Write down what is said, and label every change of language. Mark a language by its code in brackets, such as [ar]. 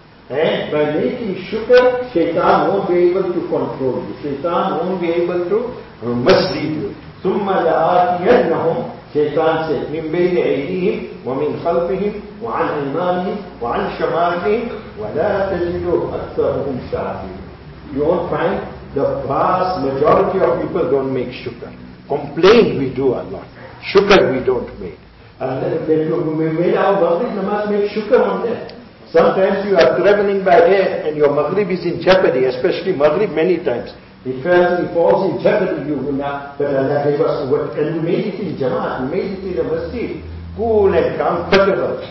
[en] And by making shukr, Shaitan won't be able to control you. Shaitan won't be able to mislead you. [ar] ثُمَّ لَآتِيَنَّهُمْ [en] Shaitan said, [ar] مِنْ بَيْنِ أَيْدِيهِمْ وَمِنْ خَلْفِهِمْ وَعَنْ أَيْمَانِهِمْ وَعَنْ شَمَالِهِمْ وَلَا تَجِدُ أَكْثَرُهُمْ شَاكِرِينَ [en] You won't find the vast majority of people don't make shukr. Complain we do a lot. Shukr we don't make. We made our Maghrib namaz, make shukr on that. Sometimes you are traveling by air and your Maghrib is in jeopardy, especially Maghrib many times. It falls in jeopardy, you will not, but Allah gave us what, and we made it in Jamaat, we made it in a masjid, cool and comfortable.